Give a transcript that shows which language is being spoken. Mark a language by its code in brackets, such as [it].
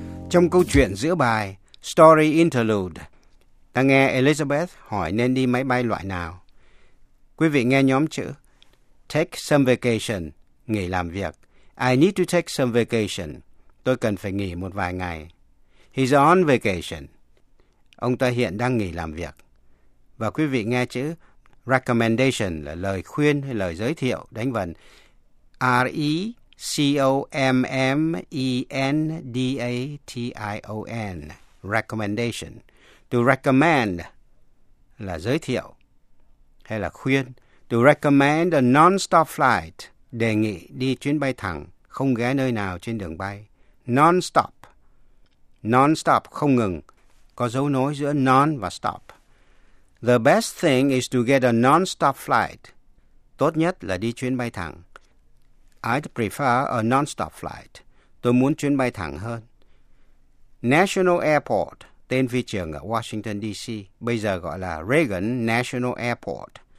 [vi] Trong câu chuyện giữa bài, Story Interlude, ta nghe Elizabeth hỏi nên đi máy bay loại nào. Quý vị nghe nhóm chữ. [en] Take some vacation. [vi] Nghỉ làm việc. [en] I need to take some vacation. [vi] Tôi cần phải nghỉ một vài ngày. [en] He's on vacation. [vi] Ông ta hiện đang nghỉ làm việc. Và quý vị nghe chữ recommendation là lời khuyên hay lời giới thiệu, đánh vần R-E-C-O-M-M-E-N-D-A-T-I-O-N, recommendation. To recommend là giới thiệu hay là khuyên. [en] To recommend a non-stop flight, [vi] đề nghị đi chuyến bay thẳng, không ghé nơi nào trên đường bay. Non-stop, non-stop, không ngừng, có dấu nối giữa non và stop. [en] The best thing is to get a non-stop flight. [vi] Tốt nhất là đi chuyến bay thẳng. [en] I'd prefer a non-stop flight. [vi] Tôi muốn chuyến bay thẳng hơn. National Airport, tên phi trường ở Washington, D.C., bây giờ gọi là Reagan National Airport.